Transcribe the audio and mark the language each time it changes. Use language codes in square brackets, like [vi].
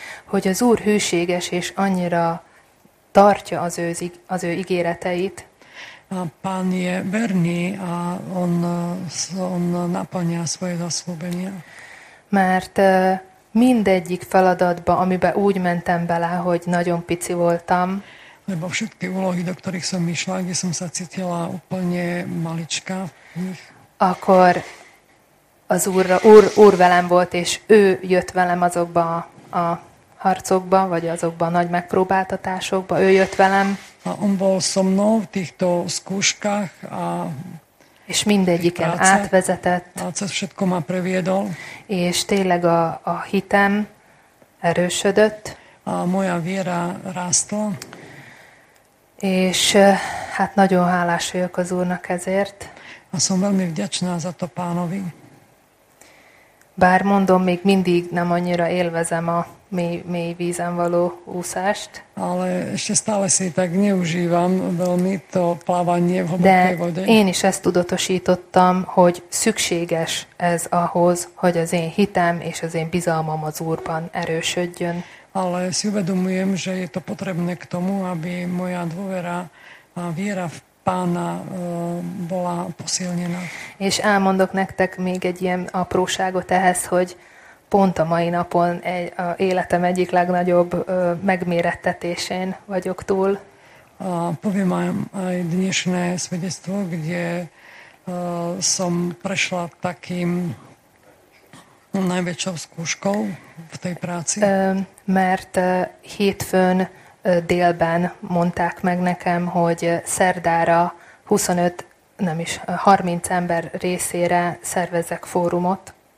[hu] Hogy az Úr hűséges és annyira tartja az ő ígéreteit. [sk] A Pán je verný a on naplňa svoje zasľúbenia. [hu] Mert mindegyik feladatba, amiben úgy mentem bele, hogy nagyon pici voltam. [sk] Lebo všetky úlohy, do ktorých som išla, kde som sa cítila úplne malička v nich. [hu] Akkor az úr velem volt, és ő jött velem azokba a harcokba, vagy azokba a nagy megpróbáltatásokba, ő jött velem. [sk] A on bol so mnou v týchto skúškach a [hu] és mindegyiken práce, átvezetett. [sk] A cez všetko ma previedol. [hu] És tényleg a hitem erősödött. [sk] A moja viera rástla. [hu] És hát nagyon hálás vagyok az Úrnak ezért. [sk] A som veľmi vďačná za to Pánovi. [hu] Bár mondom, még mindig nem annyira élvezem a mély vízen való úszást. [sk] Ale ešte stále si tak neužívam veľmi to plávanie v hlbokej vode. [hu] Én is ezt tudatosítottam, hogy szükséges ez ahhoz, hogy az én hitem és az én bizalmam az Úrban erősödjön. [sk] Ale si uvedomujem, že je to potrebné k tomu, aby moja dôvera a viera v Pána bola posilnená. [hu] És elmondok nektek még egy ilyen apróságot ehhez, hogy pont a mai napon a életem egyik legnagyobb megmérettetésén vagyok túl. [sk] Poviem aj dnešné svedectvo, kde som prešla takým najväčšou skúškou v tej práci. [hu] Mert hétfőn délben mondták meg nekem, hogy szerdára 25, nem is, 30 ember részére szervezek fórumot.